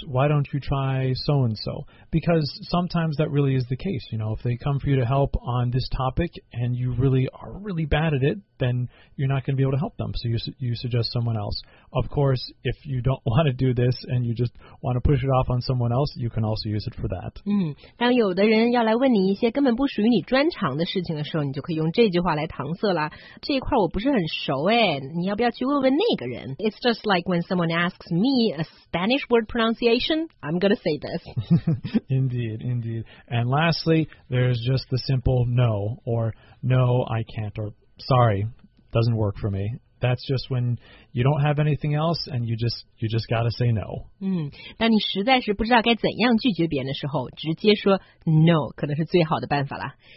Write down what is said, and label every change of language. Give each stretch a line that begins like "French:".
English: Why don't you try so-and-so? Because sometimes that really is the case. You know, if they come for you to help on this topic and you really are really bad at it,then you're not going to be able to help them. So you suggest someone else. Of course, if you don't want to do this and you just want to push it off on someone else, you can also use it for that.
Chinese: 当有的人要来问你一些根本不属于你专长的事情的时候你就可以用这句话来搪塞了。这一块我不是很熟你要不要去问问那个人
English: It's just like when someone asks me a Spanish word pronunciation, I'm going to say this. Indeed, indeed. And lastly, there's just the simple no, or no, I can't, or... Sorry, doesn't work for me. That's just when you don't have anything else and you just gotta say no.
Chinese: 当你实在是不知道该怎样拒绝别人的时候，直接说 no 可能是最好的办法了。